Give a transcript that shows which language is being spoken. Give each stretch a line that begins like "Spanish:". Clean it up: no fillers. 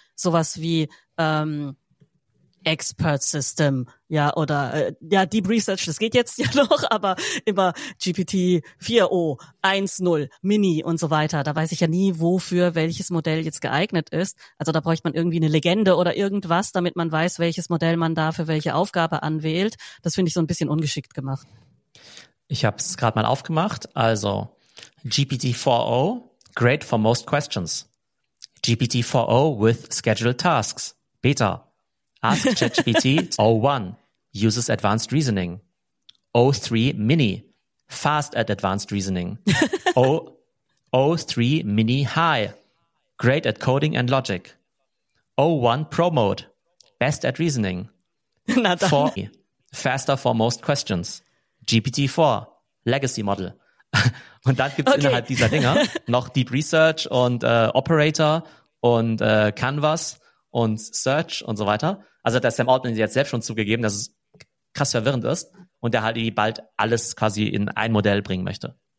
German: Sowas wie Expert System, ja, oder ja, Deep Research, das geht jetzt ja noch, aber immer GPT 4.0, 1.0, Mini und so weiter. Da weiß ich ja nie, wofür welches Modell jetzt geeignet ist. Also da bräuchte man irgendwie eine Legende oder irgendwas, damit man weiß, welches Modell man da für welche Aufgabe anwählt. Das finde ich so ein bisschen ungeschickt gemacht. Ich habe es gerade mal aufgemacht.
English: Also GPT 4.0, great for most questions. GPT 4.0 with scheduled tasks, Beta. Ask ChatGPT 01, uses advanced reasoning. 03 mini, fast at advanced reasoning. 03 mini high, great at coding and logic. 01 pro mode, best at reasoning. 4 faster for most questions. GPT 4, legacy model.
German: Und dann gibt's innerhalb dieser Dinger noch Deep Research und Operator und Canvas und Search und so weiter. Also hat der Sam Altman jetzt selbst schon zugegeben, dass es krass verwirrend ist und der halt bald alles quasi in ein Modell bringen möchte.